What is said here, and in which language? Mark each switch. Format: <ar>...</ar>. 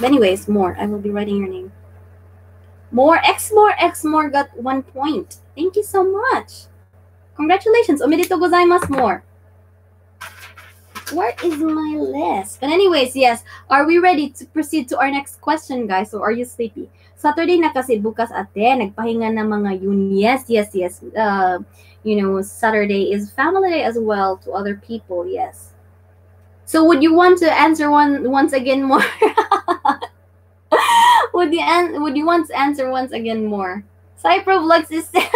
<en>Anyways, More, I will be writing your name. More X More got 1 point. Thank you so much. Congratulations!</en> <ja>Omedetou gozaimasu</ja> <en>more! Where is my list? But anyways, yes, are we ready to proceed to our next question, guys? So are you sleepy?</en> <tl>Saturday na kasi bukas ate, nagpahinga na mga yun.</tl> <en>Yes, yes, yes. You know, Saturday is family day as well to other people, yes. So would you want to answer once again more? would you want to answer once again more? Cypro Vlogs is...</en>